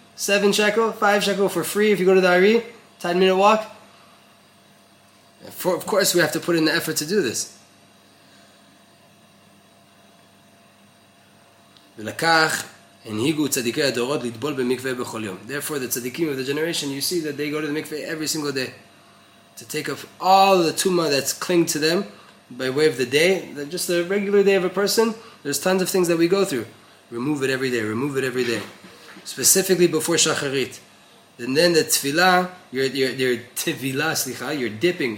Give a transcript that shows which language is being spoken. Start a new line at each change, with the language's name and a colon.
English: 7 shekel, 5 shekel for free if you go to the Ari, 10-minute walk. Of course, we have to put in the effort to do this.
Hebrew: ולקח הנהיגו צדיקי הדורות לטבול במקווה בכל יום.
English: Therefore, the tzadikim of the generation, you see that they go to the mikveh every single day to take off all the tumah that's cling to them by way of the day, just the regular day of a person. There's tons of things that we go through. Remove it every day, remove it every day. Specifically before shacharit. And then the tefillah, your tevilah, slicha, you're dipping.